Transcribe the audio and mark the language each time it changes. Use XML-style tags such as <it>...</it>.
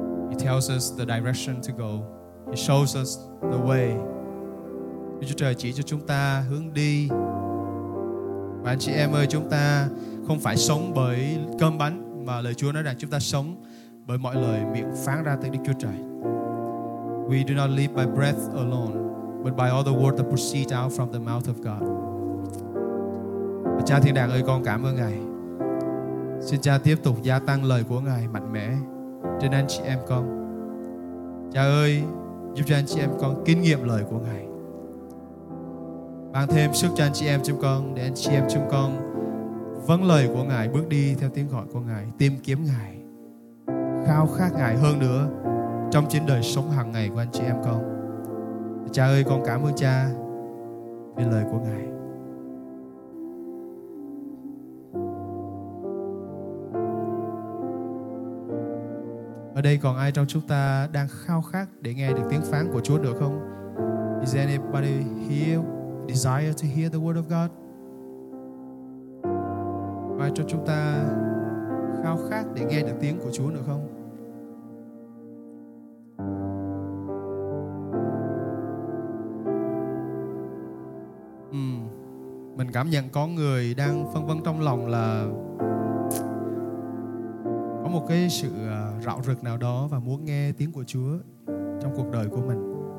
<en>He tells us the direction to go. He shows us the way.</en> <vi>Đức Chúa Trời chỉ cho chúng ta hướng đi. Và anh chị em ơi, chúng ta không phải sống bởi cơm bánh, mà lời Chúa nói rằng chúng ta sống bởi mọi lời miệng phán ra từ Đức Chúa Trời.</vi> <en>We do not live by breath alone, but by all the words that proceed out from the mouth of God.</en> <vi>Và Cha Thiên Đàng ơi, con cảm ơn Ngài. Xin Cha tiếp tục gia tăng lời của Ngài mạnh mẽ trên anh chị em con. Cha ơi, giúp cho anh chị em con kinh nghiệm lời của Ngài. Ban thêm sức cho anh chị em chúng con, để anh chị em chúng con vâng lời của Ngài, bước đi theo tiếng gọi của Ngài, tìm kiếm Ngài, khao khát Ngài hơn nữa trong chính đời sống hàng ngày của anh chị em con. Cha ơi, con cảm ơn Cha vì lời của Ngài. Ở đây còn ai trong chúng ta đang khao khát để nghe được tiếng phán của Chúa được không?</vi> <en>Is anybody here desire to hear the word of God?</en> <vi>Và cho chúng ta khao khát để nghe được tiếng của Chúa được không? Mình cảm nhận có người đang phân vân trong lòng là có một cái sự rạo rực nào đó và muốn nghe tiếng của Chúa trong cuộc đời của mình.</vi>